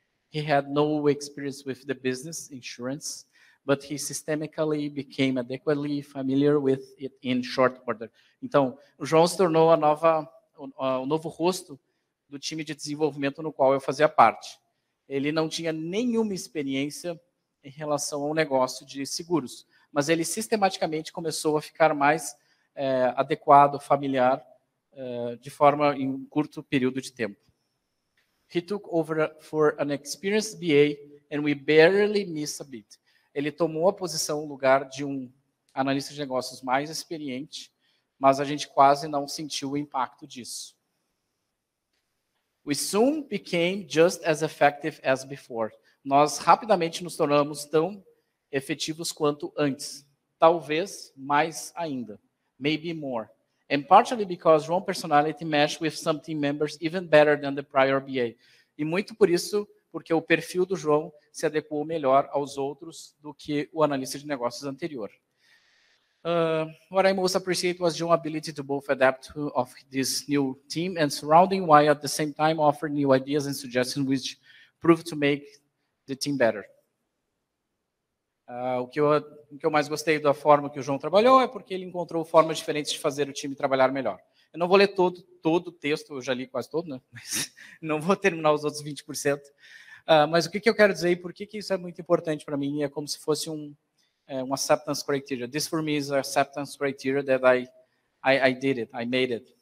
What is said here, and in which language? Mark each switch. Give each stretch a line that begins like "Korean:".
English: He had no experience with the business insurance, but he systemically became adequately familiar with it in short order.
Portuguese: Então, o João se tornou o novo rosto do time de desenvolvimento no qual eu fazia parte. Ele não tinha nenhuma experiência em relação ao negócio de seguros, mas ele sistematicamente começou a ficar mais adequado, familiar, de forma em um curto período de tempo.
English: He took over for an experienced BA, and we barely missed a beat.
Portuguese: Ele tomou a posição, o lugar de um analista de negócios mais experiente, mas a gente quase não sentiu o impacto disso.
English: We soon became just as effective as before.
Portuguese: Nós rapidamente nos tornamos tão efetivos quanto antes. Talvez mais ainda.
English: Maybe more. And partially because João personality matched with some team members even better than the prior BA.
Portuguese: E muito por isso, porque o perfil do João se adequou melhor aos outros do que o analista de negócios anterior.
English: What I most appreciate was João's ability to both adapt to this new team and surrounding while at the same time offer new ideas and suggestions which proved to make the team better.
Portuguese: O que eu mais gostei da forma que o João trabalhou é porque ele encontrou formas diferentes de fazer o time trabalhar melhor. Eu não vou ler todo o texto, eu já li quase todo, né? Mas não vou terminar os outros 20%. Mas o que, que eu quero dizer e por que, que isso é muito importante para mim é como se fosse um acceptance criteria.
English: This for me is an acceptance criteria that I did it, I made it.